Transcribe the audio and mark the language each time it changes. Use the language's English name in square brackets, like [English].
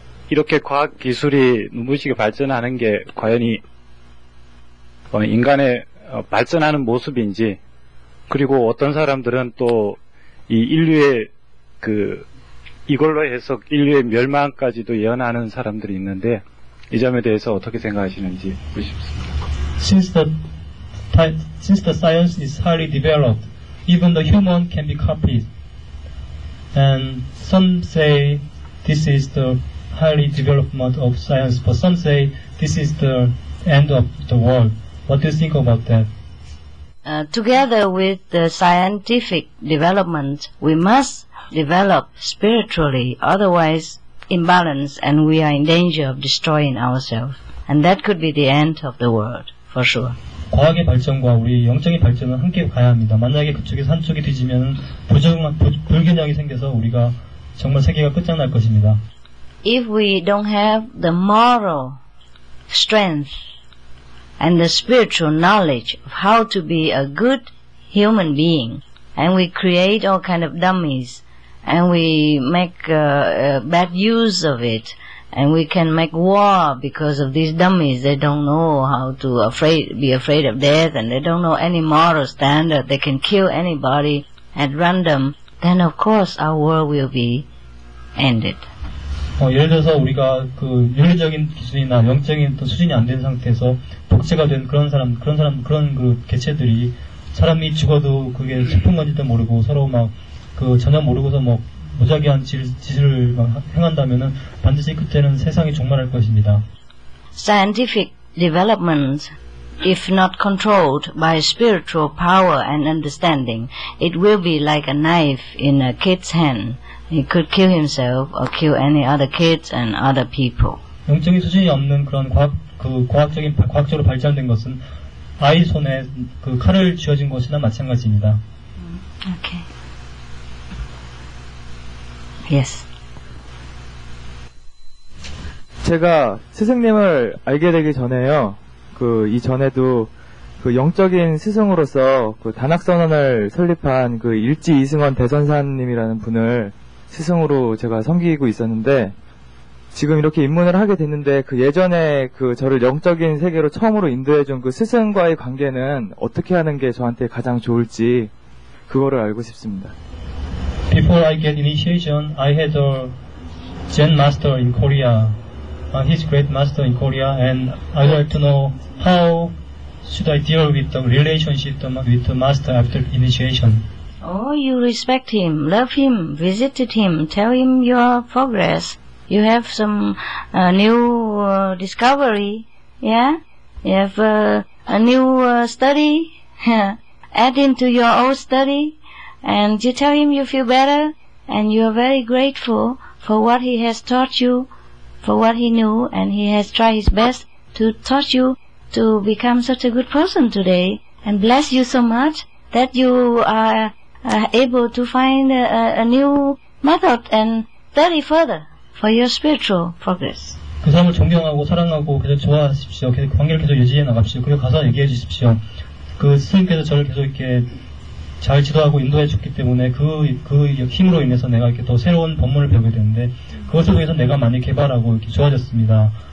[Korean] 이렇게 과학 기술이 눈부시게 발전하는 게 과연이 인간의 발전하는 모습인지 그리고 어떤 사람들은 또 이 인류의 그 이걸로 해서 인류의 멸망까지도 예언하는 사람들이 있는데 이 점에 대해서 어떻게 생각하시는지 보십시오. [English] Since the science is highly developed, even the human can be copied. And some say this is the highly development of science, but some say this is the end of the world. What do you think about that? Together with the scientific development, we must develop spiritually, otherwise imbalance, and we are in danger of destroying ourselves. And that could be the end of the world, for sure. [Korean] 과학의 발전과 우리 영적인 발전은 함께 가야 합니다. 만약에 그쪽에서 한쪽이 뒤지면 불균형이 생겨서 우리가 정말 세계가 끝장날 것입니다. [English] If we don't have the moral strength and the spiritual knowledge of how to be a good human being, and we create all kind of dummies, and we make bad use of it, and we can make war because of these dummies. They don't know how to be afraid of death, and they don't know any moral standard. They can kill anybody at random. Then of course our world will be ended. [Korean] 예를 들어서 우리가 그 윤리적인 기준이나 영적인 또 수준이 안 된 상태에서 복제가 된 그런 개체들이 사람이 죽어도 그게 슬픈 건지도 모르고 서로 막 그 전혀 모르고서 뭐 무작위한 짓을 행한다면은 반드시 그때는 세상이 종말할 것입니다. [English] Scientific development, if not controlled by spiritual power and understanding, it will be like a knife in a kid's hand. He could kill himself or kill any other kids and other people. [Korean] 영적인 수준이 없는 그런 과학적으로 발전된 것은 아이 손에 그 칼을 쥐어진 것이나 마찬가지입니다. [English] Okay. Yes. [Korean] 제가 스승님을 알게 되기 전에요, 그 이전에도 그 영적인 스승으로서 그 단학선언을 설립한 그 일지 이승원 대선사님이라는 분을 스승으로 제가 섬기고 있었는데, 지금 이렇게 입문을 하게 됐는데, 그 예전에 그 저를 영적인 세계로 처음으로 인도해준 그 스승과의 관계는 어떻게 하는 게 저한테 가장 좋을지 그거를 알고 싶습니다. [English] Before I get initiation, I had a Zen master in Korea. He's great master in Korea, and I'd like to know how should I deal with the relationship with the master after initiation. Oh, you respect him, love him, visited him, tell him your progress. You have some new discovery, yeah? You have a new study, add him to your old study. And you tell him you feel better, and you are very grateful for what he has taught you, for what he knew, and he has tried his best to taught you to become such a good person today, and bless you so much that you are able to find a new method and study further for your spiritual progress. [Korean] 그 사람을 존경하고 사랑하고 계속 좋아하십시오. 계속 관계를 계속 유지해 나갑시오. 그리고 가서 얘기해 주십시오. 그 스님께서 저를 계속 이렇게 잘 지도하고 인도해 줬기 때문에 그 힘으로 인해서 내가 이렇게 더 새로운 법문을 배우게 되는데 그것을 통해서 내가 많이 개발하고 이렇게 좋아졌습니다.